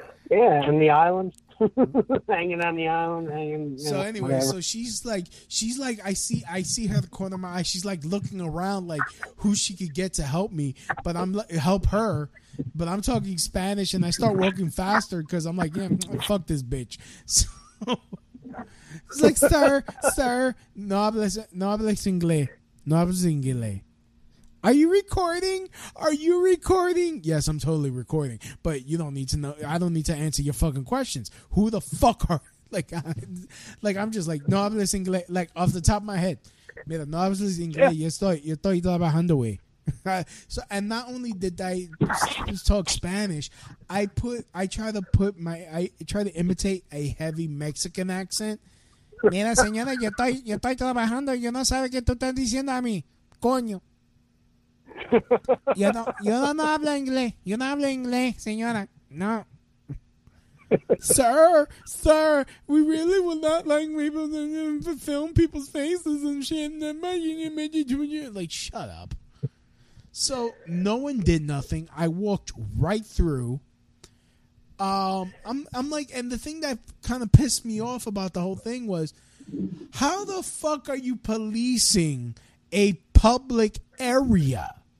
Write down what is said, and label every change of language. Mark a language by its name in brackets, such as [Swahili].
[English] Yeah, and the island. Hanging on the island. So she's like, I see her at the corner of my eye. She's like looking around like who she could get to help me. But I'm help her. But I'm talking Spanish, and I start walking faster because I'm like, yeah, fuck this bitch. So. It's like, sir, [Spanish] no hablas inglés. [English] Are you recording? Yes, I'm totally recording. But you don't need to know. I don't need to answer your fucking questions. Who the fuck are you? I'm just like, [Spanish] no hablas inglés. [English] Like, off the top of my head. [Spanish] Mira, no hablas inglés. Yo estoy trabajando hoy. [English] So, and not only did I talk Spanish, I try to imitate a heavy Mexican accent. [Spanish] Mira, señora, yo estoy trabajando. Yo no sabe que tú estás diciendo a mí. Coño. Yo no hablo inglés. Yo no hablo inglés, señora. [English] No. Sir, we really would not like people to film people's faces and shit. Like, shut up. So no one did nothing. I walked right through. I'm like, and the thing that kind of pissed me off about the whole thing was, how the fuck are you policing a public area?